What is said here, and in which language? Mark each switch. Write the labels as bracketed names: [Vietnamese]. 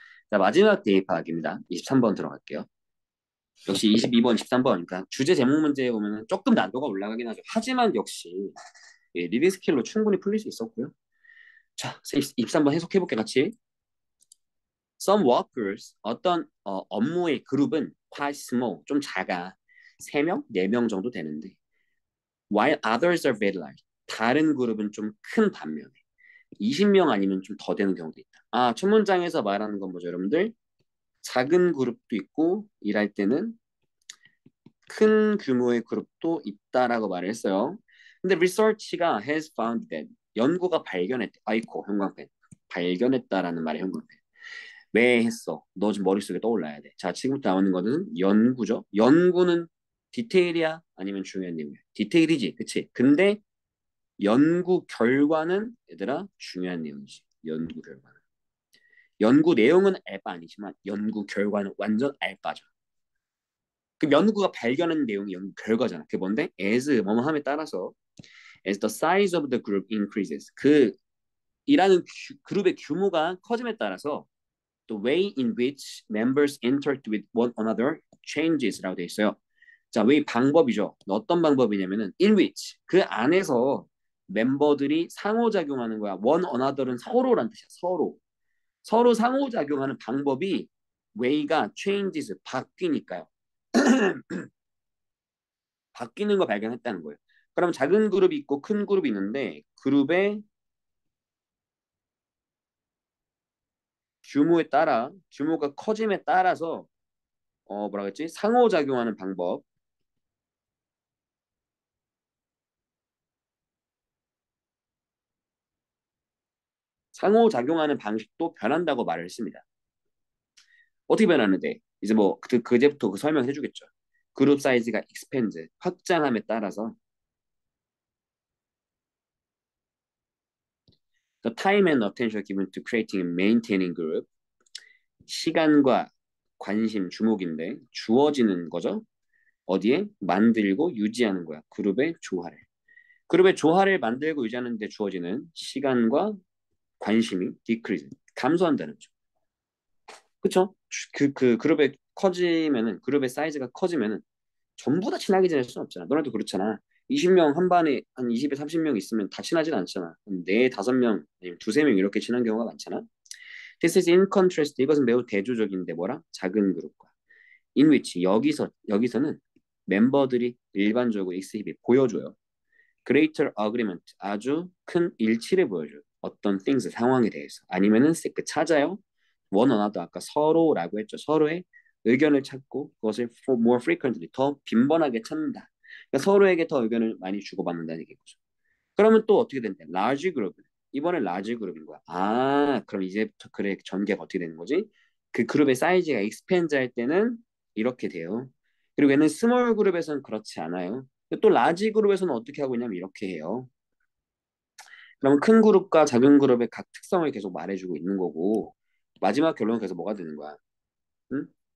[Korean] 자, 마지막 대입 파악입니다. 23번 들어갈게요. 역시 22번, 13번이니까 주제 제목 문제에 보면 조금 난도가 올라가긴 하죠. 하지만 역시 예, 리딩 스킬로 충분히 풀릴 수 있었고요. 자, 23번 해석해볼게요, 같이. [English] Some workers, [Korean] 어떤 업무의 그룹은 [English] quite small, [Korean] 좀 작아. 3명, 4명 정도 되는데. [English] While others are very large, [Korean] 다른 그룹은 좀큰 반면에. 20명 아니면 좀더 되는 경우도 있다. 아, 첫 문장에서 말하는 건 뭐죠, 여러분들? 작은 그룹도 있고, 일할 때는 큰 규모의 그룹도 있다라고 말을 했어요. 근데 research가 [English] has found that, [Korean] 연구가 발견했대. 아이코, 형광펜. 발견했다라는 말의 형광펜. 왜 했어? 너 지금 머릿속에 떠올라야 돼. 자, 지금부터 나오는 거는 연구죠. 연구는 디테일이야? 아니면 중요한 내용이야? 디테일이지, 그치? 근데 연구 결과는, 얘들아, 중요한 내용이지. 연구 결과는. 연구 내용은 알바 아니지만 연구 결과는 완전 알바죠. 그 연구가 발견한 내용이 연구 결과잖아. 그게 뭔데? [English] As [Korean] 뭐뭐 함에 따라서 [English] As the size of the group increases, [Korean] 그 일하는 그룹의 규모가 커짐에 따라서 [English] The way in which members interact with one another changes라고 [Korean] 돼 있어요. 자, way 방법이죠. 어떤 방법이냐면은 [English] in which [Korean] 그 안에서 멤버들이 상호작용하는 거야. [English] One another [Korean] 은 서로란 뜻이야. 서로. 서로 상호작용하는 방법이 way가 changes 바뀌니까요. 바뀌는 거 발견했다는 거예요. 그럼 작은 그룹이 있고 큰 그룹이 있는데 그룹의 규모에 따라 규모가 커짐에 따라서 뭐라 그랬지? 상호작용하는 방법 상호작용하는 방식도 변한다고 말을 했습니다. 어떻게 변하는데? 이제 뭐 그제부터 그 설명을 해주겠죠. 그룹 사이즈가 [English] expand, [Korean] 확장함에 따라서 [English] The time and attention given to creating and maintaining group [Korean] 시간과 관심, 주목인데 주어지는 거죠. 어디에? 만들고 유지하는 거야. 그룹의 조화를. 그룹의 조화를 만들고 유지하는 데 주어지는 시간과 관심이 decrease, 감소한다는 거죠. 그쵸? 그 그룹의 커지면은 그룹의 사이즈가 커지면은 전부 다 친하게 지낼 수는 없잖아. 너네도 그렇잖아. 20명 한 반에 한 20에 30명 있으면 다 친하진 않잖아. 네, 다섯 명 아니면 두세 명 이렇게 친한 경우가 많잖아. [English] This is in contrast. [Korean] 이것은 매우 대조적인데 뭐라? 작은 그룹과 [English] in which [Korean] 여기서는 멤버들이 일반적으로 exhibit 보여줘요. [English] Greater agreement [Korean] 아주 큰 일치를 보여줘요. 어떤 things 상황에 대해서 아니면은 그 찾아요. [English] One another [Korean] 아까 서로라고 했죠. 서로의 의견을 찾고 그것을 [English] for more frequently [Korean] 더 빈번하게 찾는다. 그러니까 서로에게 더 의견을 많이 주고받는다는 얘기죠. 그러면 또 어떻게 된대? [English] Large group [Korean] 이번에 [English] large group인 거야. [Korean] 아 그럼 이제부터 그래 전개가 어떻게 되는 거지? 그 그룹의 사이즈가 expand 할 때는 이렇게 돼요. 그리고 얘는 small 그룹에서는 그렇지 않아요. 또 large 그룹에서는 어떻게 하고 있냐면 이렇게 해요. 그럼 큰 그룹과 작은 그룹의 각 특성을 계속 말해주고 있는 거고 마지막 결론은 계속 뭐가 되는 거야? 응?